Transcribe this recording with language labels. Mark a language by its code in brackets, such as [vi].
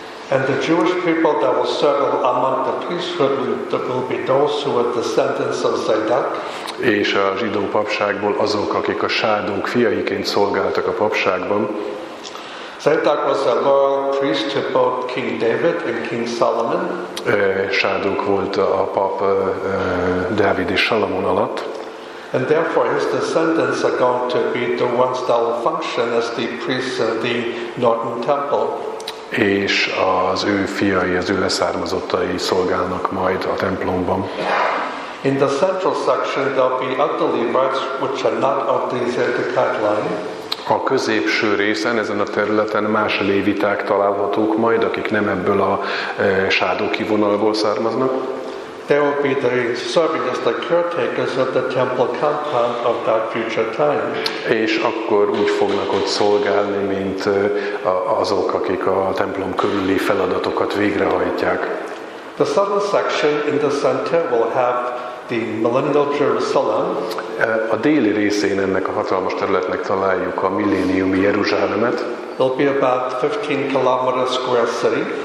[en] And the Jewish people that will settle among the priesthood will be those who are descendants of Zadok. [hu] És a zsidó papságból azok, akik a Sádunk fiaiként szolgáltak a papságban. [en] Zadok was a loyal priest to both King David and King Solomon. [hu] Sádok volt a pap Dávid és Salamon alatt. [en] And therefore his descendants are going to be the ones that will function as the priests of the northern temple. [hu] És az ő fiai, az ő leszármazottai szolgálnak majd a templomban. [en] In the central section there'll be other Levites which are not of the Zadokite line. [hu] A középső részen, ezen a területen más léviták találhatók majd, akik nem ebből a sádoki vonalból származnak. [en] They will be the serving as the caretakers of the temple compound of that future time. [hu] És akkor úgy fognak ott szolgálni, mint azok, akik a templom körüli feladatokat végrehajtják. [en] The southern section in the center will have the millennial Jerusalem. [hu] A déli részén ennek a hatalmas területnek találjuk a milléniumi Jeruzsálemet. [en] It'll be about 15 kilometer square city.